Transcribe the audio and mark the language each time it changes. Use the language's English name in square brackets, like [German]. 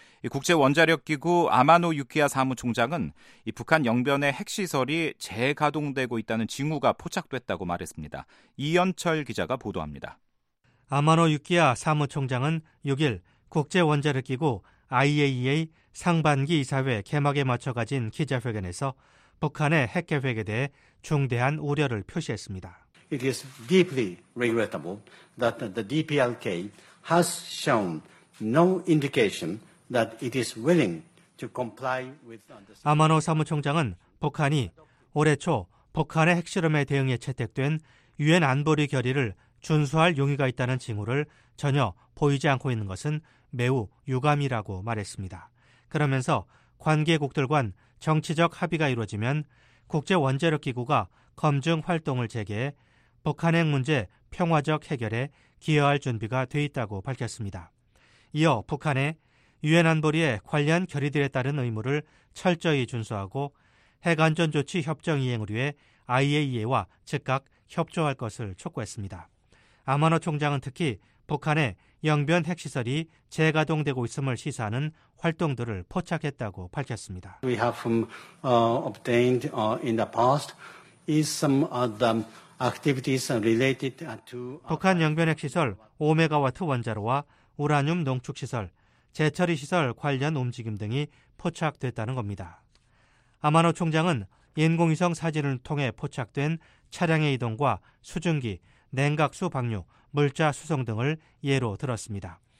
[Korean] 국제원자력기구 아마노 유키야 사무총장은 북한 영변의 핵시설이 재가동되고 있다는 징후가 포착됐다고 말했습니다. 이현철 기자가 보도합니다. 아마노 유키야 사무총장은 6일 국제원자력기구 IAEA 상반기 이사회 개막에 맞춰 가진 기자회견에서 북한의 핵 계획에 대해 중대한 우려를 표시했습니다. [English] It is deeply regrettable that the DPRK has shown no indication that it is willing to comply with. [Korean] 아마노 사무총장은 북한이 올해 초 북한의 핵실험에 대응해 채택된 유엔 안보리 결의를 준수할 용의가 있다는 징후를 전혀 보이지 않고 있는 것은 매우 유감이라고 말했습니다. 그러면서 관계국들 간 정치적 합의가 이루어지면 국제원자력기구가 검증 활동을 재개해 북한 핵 문제 평화적 해결에 기여할 준비가 돼 있다고 밝혔습니다. 이어 북한의 유엔 안보리의 관련 결의들에 따른 의무를 철저히 준수하고 핵안전조치 협정 이행을 위해 IAEA와 즉각 협조할 것을 촉구했습니다. 아마노 총장은 특히 북한의 영변 핵시설이 재가동되고 있음을 시사하는 활동들을 포착했다고 밝혔습니다. [English] We have obtained in the past is some of the activities related to [Korean] 북한 영변 핵시설 5메가와트 원자로와 우라늄 농축시설, 재처리시설 관련 움직임 등이 포착됐다는 겁니다. 아마노 총장은 인공위성 사진을 통해 포착된 차량의 이동과 수증기, 냉각수 방류, 물자 수송 등을 예로 들었습니다.